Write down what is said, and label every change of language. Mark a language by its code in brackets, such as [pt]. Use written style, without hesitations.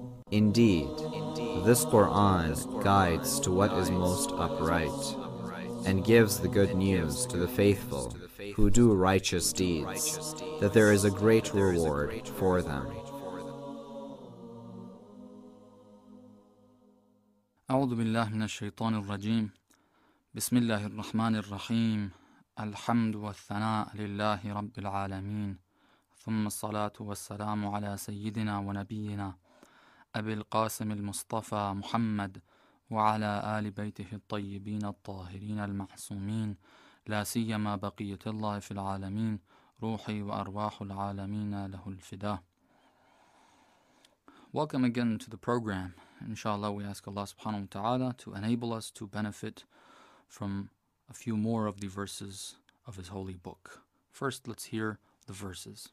[en] Indeed, this Quran guides to what is most upright and gives the good news to the faithful who do righteous deeds, that there is a great reward for them. [ar] أعوذ بالله من الشيطان الرجيم بسم الله الرحمن الرحيم الحمد والثناء لله رب العالمين ثم الصلاة والسلام على سيدنا ونبينا أبي القاسم المصطفى محمد وعلى آل بيته الطيبين الطاهرين المعصومين لا سيما بقية الله في العالمين روحي وأرواح العالمين له الفداء. [en] Welcome again to the program. Inshallah, we ask Allah subhanahu wa ta'ala to enable us to benefit from a few more of the verses of His holy book. First, let's hear the verses.